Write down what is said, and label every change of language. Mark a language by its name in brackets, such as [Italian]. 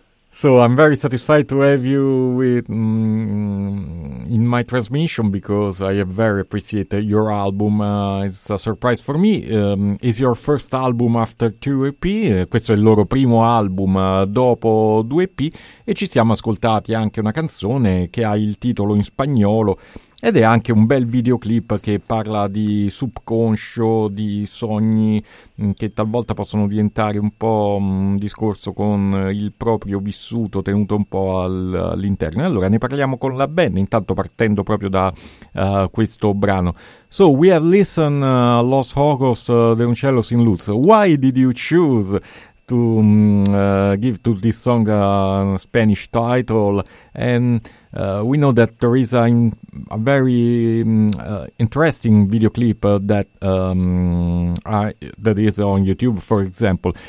[English] So I'm very satisfied to have you with in my transmission because I very appreciate your album. It's a surprise for me. Is your first album after two EP? [Italian] Questo è il loro primo album dopo due EP e ci siamo ascoltati anche una canzone che ha il titolo in spagnolo ed è anche un bel videoclip che parla di subconscio, di sogni che talvolta possono diventare un po' un discorso con il proprio vissuto tenuto un po' all'interno. Allora ne parliamo con la band, intanto partendo proprio da questo brano. [English] So we have listened Los Ojos de un Cielo Sin Luz. Why did you choose to give to this song a Spanish title? And we know that there is a very interesting video clip that that is on YouTube, for example.